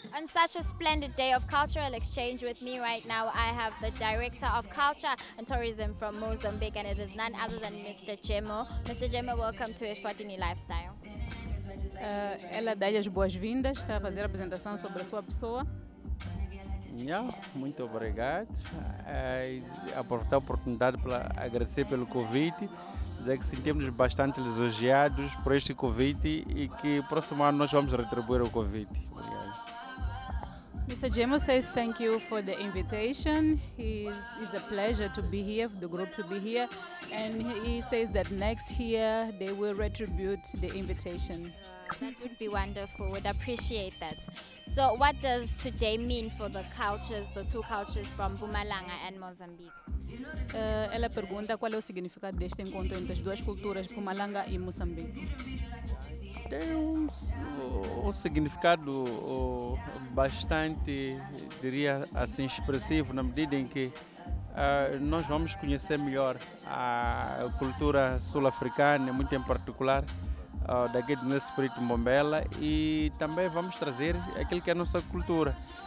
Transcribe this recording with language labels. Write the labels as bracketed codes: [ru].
[en] such a splendid day of cultural exchange. With me right now, I have the Director of Culture and Tourism from Mozambique, and it is none other than Mr. Jemo. Mr. Jemo, welcome to Eswatini Lifestyle. [pt] Ela dá as boas-vindas, está a fazer a apresentação sobre a sua pessoa. Yeah, muito obrigado. Aportar a oportunidade para agradecer pelo convite. Dizer que sentimos bastante lisonjeados por este convite e que o próximo ano nós vamos retribuir o convite. Obrigado. [en] Mr. Jemo says thank you for the invitation. It's a pleasure to be here, for the group to be here. And he says that next year they will retribute the invitation. That would be wonderful. We'd appreciate that. So what does today mean for the cultures, the two cultures from Mpumalanga and Mozambique? [pt] Ela pergunta qual é o significado deste encontro entre as duas culturas, Mpumalanga e Moçambique. Tem um significado bastante, diria assim, expressivo, na medida em que nós vamos conhecer melhor a cultura sul-africana, muito em particular, daqui do nosso espírito Mbombela, e também vamos trazer aquilo que é a nossa cultura.